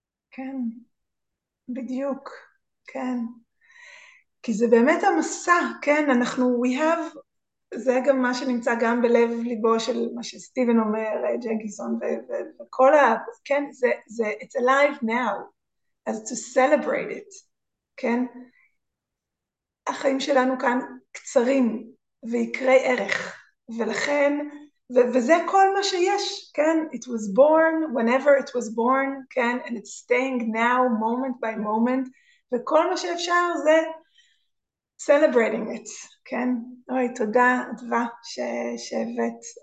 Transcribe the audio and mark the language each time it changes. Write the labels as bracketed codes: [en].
[he] כן, בדיוק, כן. כי זה באמת המסע, כן, אנחנו, [en] we have, [he] זה גם מה שנמצא גם בלב ליבו של מה שסטיבן אומר, ג'קינסון וכל ה, כן, זה, [en] it's alive now, as to celebrate it, [he] כן, החיים שלנו כאן קצרים ויקרי ערך, ולכן וזה כל מה שיש, כן? [en] It was born whenever it was born, כן? And it's staying now, moment by moment. [he] וכל מה שאפשר זה [en] celebrating it, [he] כן? אוי, תודה, אדווה, שהבאת.